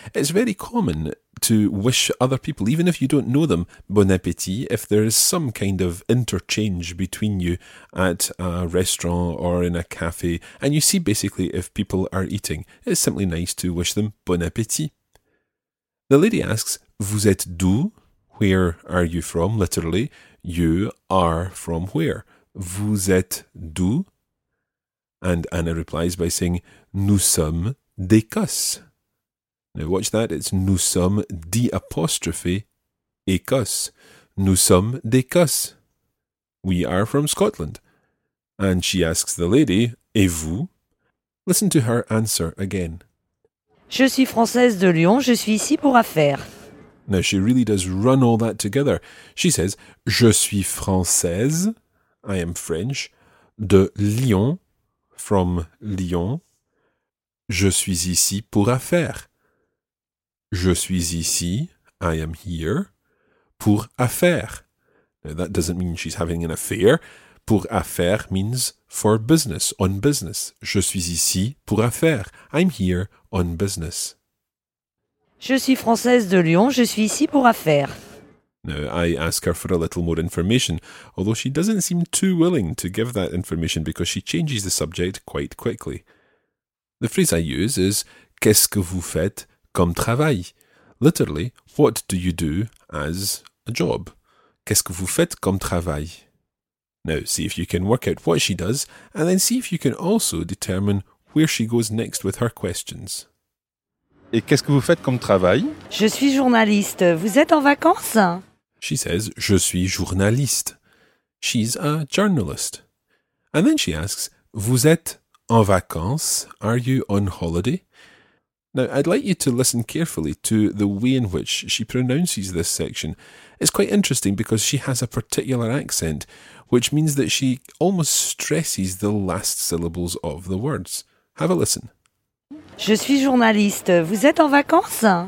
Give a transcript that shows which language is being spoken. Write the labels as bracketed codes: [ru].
[en] It's very common to wish other people, even if you don't know them, bon appétit, if there is some kind of interchange between you at a restaurant or in a cafe, and you see basically if people are eating. It's simply nice to wish them bon appétit. The lady asks, [fr] vous êtes d'où? [en] Where are you from? Literally, you are from where? [fr] Vous êtes d'où? [en] And Anna replies by saying, [fr] nous sommes d'Écosse. [en] Now watch that, it's nous sommes d'apostrophe Écosse. [fr] Nous sommes d'Écosse. [en] We are from Scotland. And she asks the lady, [fr] et vous? [en] Listen to her answer again. [fr] Je suis française de Lyon, je suis ici pour affaires. [en] Now she really does run all that together. She says, je suis française, I am French, de Lyon. From Lyon, [fr] je suis ici pour affaires. Je suis ici, [en] I am here, [fr] pour affaires. [en] Now that doesn't mean she's having an affair. Pour affaires means for business, on business. [fr] Je suis ici pour affaires. [en] I'm here on business. [fr] Je suis française de Lyon, je suis ici pour affaires. [en] Now, I ask her for a little more information, although she doesn't seem too willing to give that information because she changes the subject quite quickly. The phrase I use is, [fr] qu'est-ce que vous faites comme travail? [en] Literally, what do you do as a job? [fr] Qu'est-ce que vous faites comme travail? [en] Now, see if you can work out what she does, and then see if you can also determine where she goes next with her questions. [fr] Et qu'est-ce que vous faites comme travail? Je suis journaliste. Vous êtes en vacances? [en] She says, je suis journaliste. She's a journalist. And then she asks, vous êtes en vacances? Are you on holiday? Now, I'd like you to listen carefully to the way in which she pronounces this section. It's quite interesting because she has a particular accent, which means that she almost stresses the last syllables of the words. Have a listen. [fr] Je suis journaliste. Vous êtes en vacances?